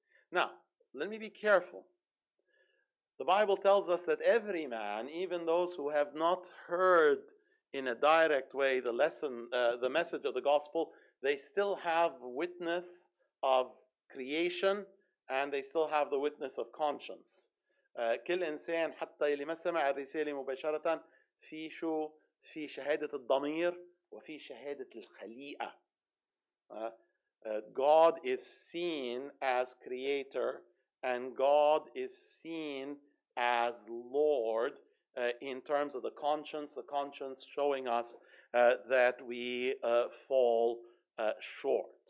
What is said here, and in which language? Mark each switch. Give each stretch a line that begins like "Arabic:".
English: Now, let me be careful. The Bible tells us that every man, even those who have not heard in a direct way the lesson, the message of the gospel, they still have witness of creation and they still have the witness of conscience.
Arabic: كل إنسان حتى اللي ما سمع الرسالة مباشرة في شو في شهادة الضمير وفي شهادة الخليقة.
English: God is seen as creator and God is seen as Lord in terms of the conscience showing us that we fall short.